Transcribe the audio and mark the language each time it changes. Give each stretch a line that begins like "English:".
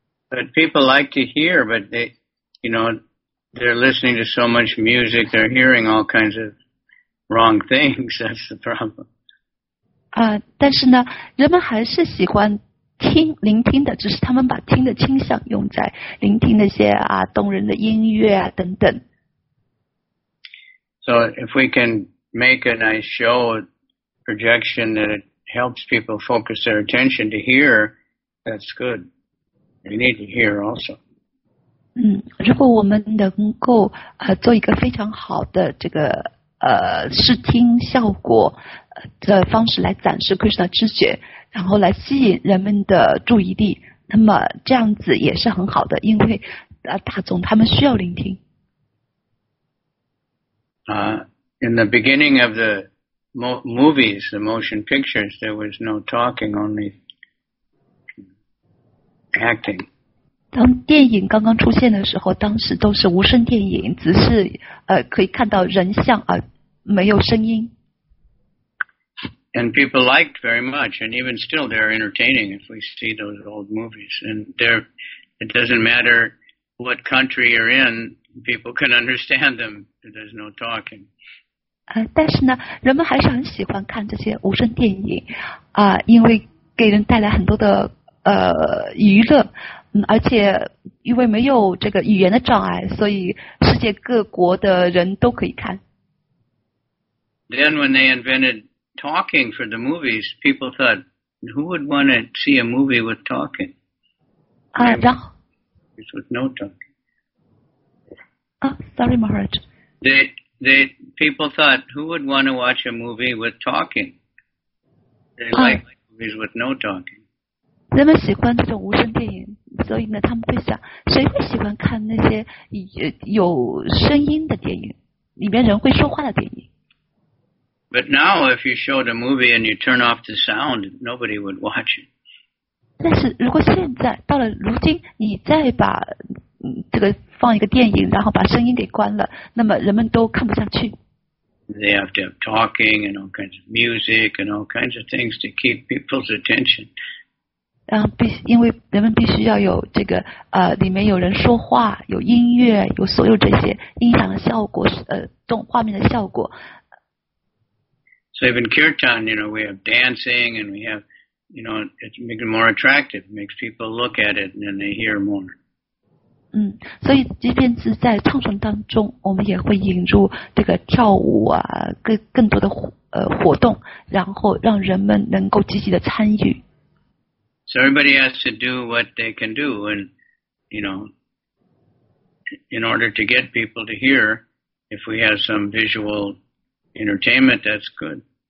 English: But people like to hear, but they, you know, they're listening to so much music, they're hearing all kinds of wrong things. That's the problem.
Chinese: 但是呢，人们还是喜欢。听聆听的，只是他们把听的倾向用在聆听那些动人的音乐啊等等。
English: So if we can make a nice show projection that it helps people focus their attention to hear, that's good. We need to hear also.
Chinese: 如果我们能够做一个非常好的这个视听效果的方式来展示 Krishna 知觉。然后来吸引人们的注意力，那么这样子也是很好的，因为大众他们需要聆听。
English: In the beginning of the movies, the motion pictures, there was no talking, only acting.
Chinese: 当电影刚刚出现的时候，当时都是无声电影，只是可以看到人像而没有声音。
English: And people liked very much, and even still, they're entertaining. If we see those old movies, and they're, it doesn't matter what country you're in, people can understand them. There's no talking.
Chinese: 但是呢，人们还是很喜欢看这些无声电影，因为给人带来很多的娱乐，而且因为没有这个语言的障碍，所以世界各国的人都可以看。
English: Then when they invented talking for the movies, people thought, who would want to see a movie with talking? Ah, with no talking. Sorry, Maharaj. They people thought, who would want to watch a movie with talking? They like movies with no talking.
Chinese: 人们喜欢这种无声电影，所以呢，他们会想，谁会喜欢看那些有声音的电影，里面人会说话的电影。
English: But now, if you showed a movie and you turn off the sound, nobody would watch it.
Chinese: 但是如果现在到了如今，你再把这个放一个电影，然后把声音给关了，那么人们都看不下去。
English: They have to have talking and all kinds of music and all kinds of things to keep people's attention.
Chinese: 因为人们必须要有这个里面有人说话，有音乐，有所有这些音响的效果，动画面的效果。
English: So even kirtan, you know, we have dancing and we have, you know, it makes it more attractive, makes people look at it and then they hear more.
Chinese: 所以即便是在唱诵当中，我们也会引入这个跳舞啊，更多的活动，然后让人们能够积极的参与。
English: So everybody has to do what they can do, and you know, in order to get people to hear, if we have some visual entertainment, that's good.